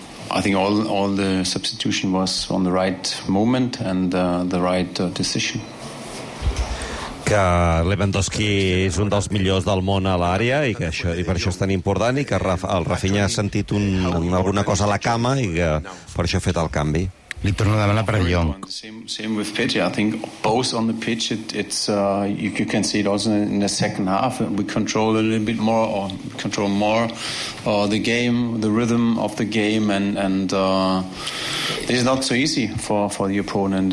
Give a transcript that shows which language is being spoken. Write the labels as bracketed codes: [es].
[en] I think all the substitution was on the right moment and the right decision. [ca] Que Lewandowski és un dels millors del món a l'àrea i per això és tan important, i que el Rafinha ha sentit alguna cosa a la cama i que per això ha fet el canvi. Li torno a demanar per Young. [en] Same with Pedri. I think both on the pitch, you can see it also in the second half. We control a little bit more, or control more the game, the rhythm of the game, and it's not so easy for the opponent.